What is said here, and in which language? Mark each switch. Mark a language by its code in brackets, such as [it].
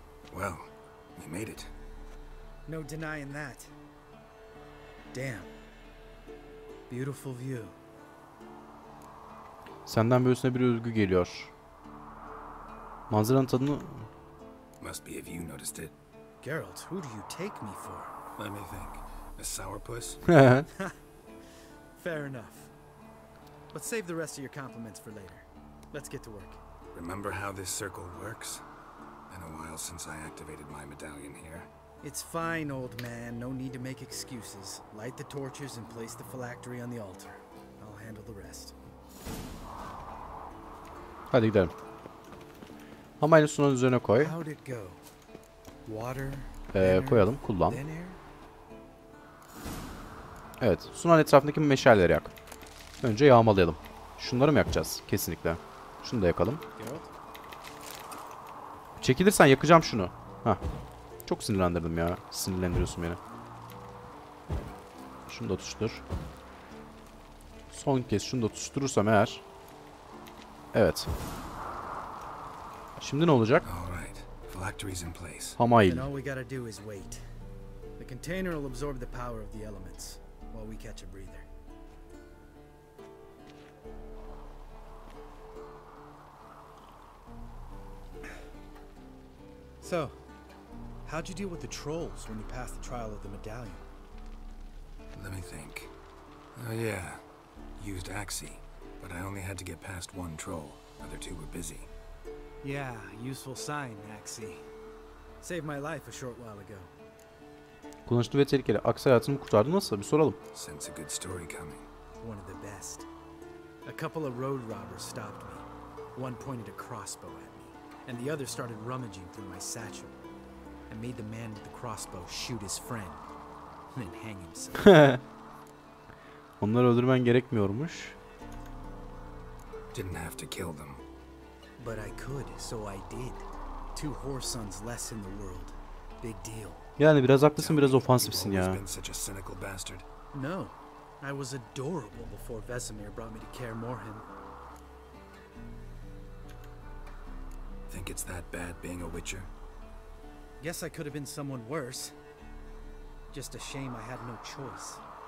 [en] Well, we made it. No denying that. Damn. Beautiful view. [tr] Senden böylesine bir özgü geliyor. Manzaranın tadını... [en] Must be if you noticed it. Geralt, who do you take me for? Let me think. A sourpuss? Fair enough. But save the rest of your compliments for later. Let's get to work. Remember how this circle works? Been a while since I activated my medallion here. It's fine, old man. No need to make excuses. Light the torches and place the phylactery on the altar. I'll handle the rest. [tr] Hadi gidelim. Ama aynı sunun üzerine koy. Koyalım, kullan. Evet, sunun etrafındaki meşaleleri yak. Önce yağmalayalım. Şunları mı yakacağız? Kesinlikle. Şunu da yakalım. Çekilirsen yakacağım şunu. Hah. Çok sinirlendirdim ya. Sinirlendiriyorsun beni. Şunu da tutuştur. Son kez şunu da tutuşturursam eğer... Evet. Şimdi ne olacak? [en] All right. Phylactery's in place. [tr] Hamail. [en] And all we gotta do is wait. The container will absorb the power of the elements while we catch a breather. So, how'd you deal with the trolls when you passed the trial of the medallion? Let me think. Oh yeah, used Axie, but I only had to get past one troll. Other two were busy. Yeah, useful sign, Axie. Saved my life a short while ago. [tr] Kullanışlı ve tehlikeli. Axie hayatımı kurtardı nasıl? Bir soralım. [en] Sense a good story coming. One of the best. A couple of road robbers stopped me. One pointed a crossbow at me, and the other started rummaging through my satchel. I made the man with the crossbow shoot his friend, then hang himself. [tr] Onları öldürmen gerekmiyormuş. [en] Didn't have to kill them. But I could, so I did. Two whore sons less in the world. Big deal. [tr] Yani biraz haklısın, biraz ofansifsin ya. [en] Such a cynical bastard. No, I was adorable before Vesemir brought me to Kaer Morhen. Think it's that bad being a Witcher? Guess I could have been someone worse. Just a shame I had no choice.